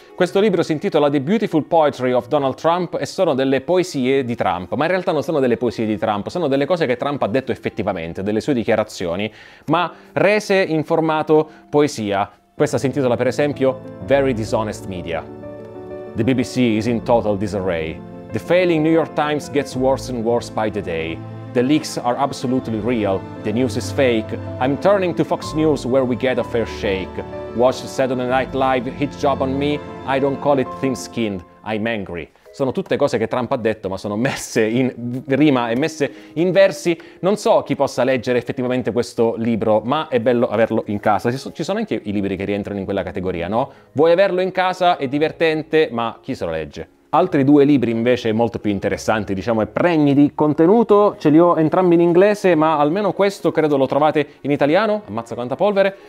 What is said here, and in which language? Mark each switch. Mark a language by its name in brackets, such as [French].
[Italian] Questo libro si intitola The Beautiful Poetry of Donald Trump e sono delle poesie di Trump, ma in realtà non sono delle poesie di Trump, sono delle cose che Trump ha detto effettivamente, delle sue dichiarazioni, ma rese in formato poesia. Questa si intitola per esempio Very Dishonest Media. [English] The BBC is in total disarray. The failing New York Times gets worse and worse by the day. The leaks are absolutely real. The news is fake. I'm turning to Fox News where we get a fair shake. Watch Saturday Night Live hit job on me. I don't call it thin-skinned. I'm angry. [Italian] sono tutte cose che Trump ha detto, ma sono messe in rima e messe in versi. Non so chi possa leggere effettivamente questo libro, ma è bello averlo in casa. Ci sono anche i libri che rientrano in quella categoria, no? Vuoi averlo in casa? È divertente, ma chi se lo legge? Altri due libri invece molto più interessanti, diciamo, e pregni di contenuto, ce li ho entrambi in inglese, ma almeno questo credo lo trovate in italiano, ammazza quanta polvere.